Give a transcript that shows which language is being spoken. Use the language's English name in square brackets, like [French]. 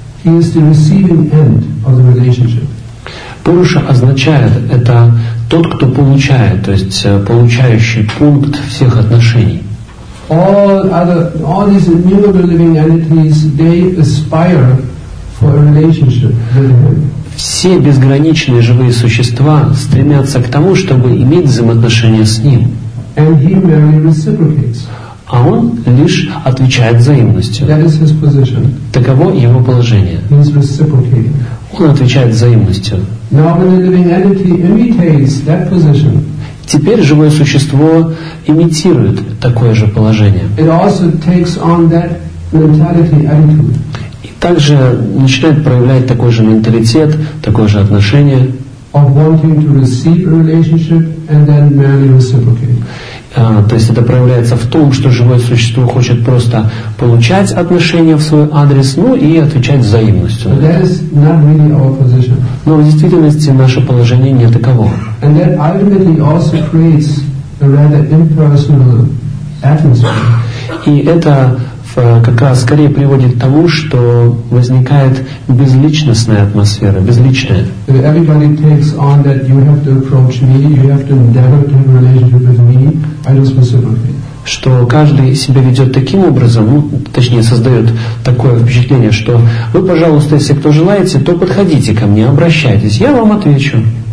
[English] He is the receiving end of the relationship. [Russian] Пуруша означает это тот, кто получает, то есть получающий пункт всех отношений. [English] All these innumerable living entities, they aspire for a relationship. [Russian] Все безграничные живые существа стремятся к тому, чтобы иметь взаимоотношения с ним. [English] And he merely reciprocates. [Russian] А он лишь отвечает взаимностью. [English] That is his position. [Russian] Таково его положение. [English] He is reciprocating. [Russian] Он отвечает взаимностью. [English] Now when the living entity imitates that position, [Russian] теперь живое существо имитирует такое же положение. [English] It also takes on that mentality attitude. [Russian] И также начинает проявлять такой же менталитет, такое же отношение. [English] Of wanting to receive a relationship and then merely reciprocate. [Russian] То есть это проявляется в том, что живое существо хочет просто получать отношения в свой адрес, ну и отвечать взаимностью. [English] But that is not really our position. [Russian] Но в действительности наше положение не таково. [English] And that ultimately also creates a rather impersonal atmosphere. [Russian] И это как раз скорее приводит к тому, что возникает безличностная атмосфера, безличная. [English] Everybody takes on that you have to approach me, you have to endeavor to have a relationship with me, I don't specifically. [Russian] Что каждый себя ведет таким образом, точнее создает такое впечатление, что вы, пожалуйста, если кто желаете, то подходите ко мне, обращайтесь, я вам отвечу.